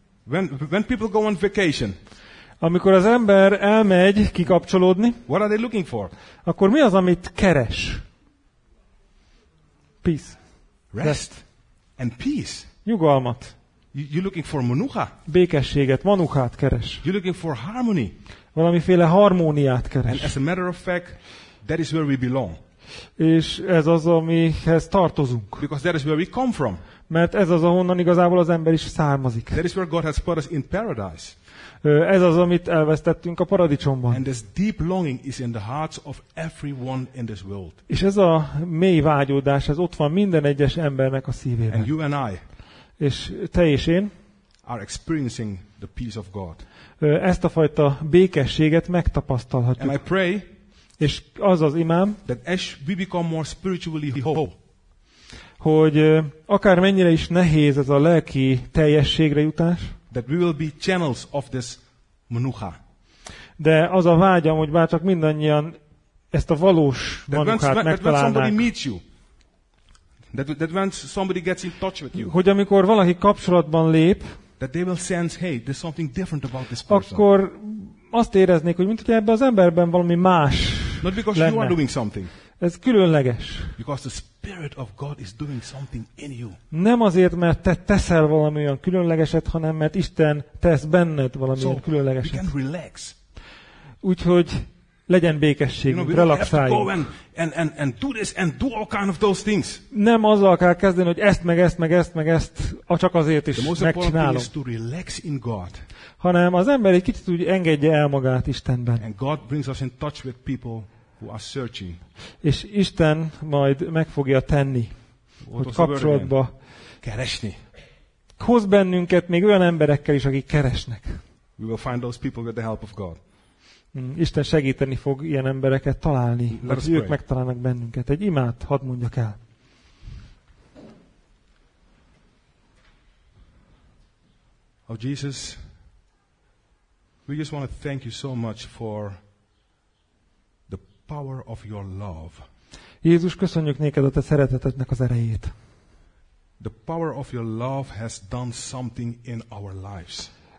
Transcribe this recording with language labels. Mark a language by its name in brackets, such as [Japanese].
[English] When people go on vacation, [Hungarian] amikor az ember elmegy kikapcsolódni, [English] what are they looking for? [Hungarian] Akkor mi az, amit keres? [English] Peace. Rest. And peace. [Hungarian] Nyugalmat. [English] You're looking for manucha. [Hungarian] Békességet, manuchát keres. [English] You're looking for harmony. [Hungarian] Valamiféle harmóniát keres. [English] And as a matter of fact, that is where we belong. [Hungarian] És ez az, amihez tartozunk. [English] Because that is where we come from. [Hungarian] Mert ez az, ahonnan igazából az ember is származik. [English] That is where God has put us in paradise. [Hungarian] Ez az, amit elvesztettünk a paradicsomban. [English] And this deep longing is in the hearts of everyone in this world. [Hungarian] És ez a mély vágyódás, ez ott van minden egyes embernek a szívében. [English] And you and I, [Hungarian] és te és én, [English] are experiencing the peace of God. [Hungarian] Ezt a fajta békességet megtapasztalhatjuk. [English] And I pray, [Hungarian] és az az imám, [English] that as we become more spiritually whole, [Hungarian] hogy akármennyire is nehéz ez a lelki teljességre jutás, [English] that we will be channels of this manucha. [Hungarian] De az a vágyam, hogy bárcsak mindannyian ezt a valós manuchát megtalálnánk. [English] That when somebody meets you, that when somebody gets in touch with you, [Hungarian] hogy amikor valaki kapcsolatban lép, [English] that they will sense, hey, there's something different about this person. [Hungarian] Akkor azt éreznék, hogy mintha ebben az emberben valami más lenne. [English] Not because you are doing something. [Hungarian] Ez különleges. [English] Because the Spirit of God is doing something in you. [Hungarian] Nem azért, mert te teszel valami olyan különlegeset, hanem mert Isten tesz benned valami olyan különlegeset. [English] So we can relax. [Hungarian] Úgyhogy legyen békesség, relaxáljunk. [English] You know, we don't have to go and do this and do all kind of those things. [Hungarian] Nem azzal kell kezdeni, hogy ezt meg ezt meg ezt meg ezt, csak azért is megcsinálom. [English] The most important thing is to relax in God. [Hungarian] Hanem az ember egy kicsit úgy engedje el magát Istenben. [English] And God brings us in touch with people who are searching. [Hungarian] És Isten majd meg fogja tenni, what hogy kapcsolatba keresni. Hoz bennünket még olyan emberekkel is, akik keresnek. [English] We will find those people with the help of God. [Hungarian] Isten segíteni fog ilyen embereket találni, mert ők megtalálnak bennünket. Egy imát hadd mondjak el. [English] Oh Jesus, we just want to thank you so much for power of your love. [Hungarian] Jézus, köszönjük néked a te szeretetednek az erejét. [English] The power of your love has done something in our lives.